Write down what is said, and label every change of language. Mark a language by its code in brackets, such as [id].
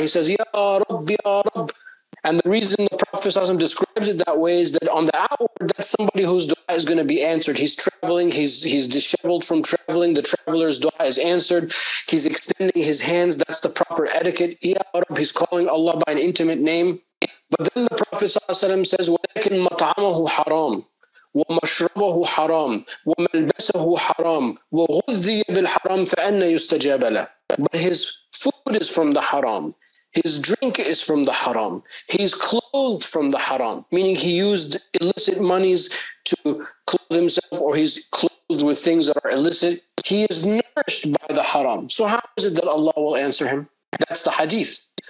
[en] He says, Ya Rabb, Ya Rabb. And the reason the Prophet ﷺ describes it that way is that on the outward, that's somebody whose dua is going to be answered. He's traveling. He's disheveled from traveling. The traveler's dua is answered. He's extending his hands. That's the proper etiquette. Ya Rabb, he's calling Allah by an intimate name. But then the Prophet ﷺ says, [ar] وَلَكِن مَطْعَمَهُ حَرَامٌ وَمَشْرَبَهُ حَرَامٌ وَمَلْبَسَهُ حَرَامٌ وَغُذِّيَ بِالْحَرَامِ فَأَنَّ يُسْتَجَابَ لَهُ. [en] But his food is from the haram. His drink is from the haram. He's clothed from the haram, meaning he used illicit monies to clothe himself, or he's clothed with things that are illicit. He is nourished by the haram. So how is it that Allah will answer him? That's the hadith.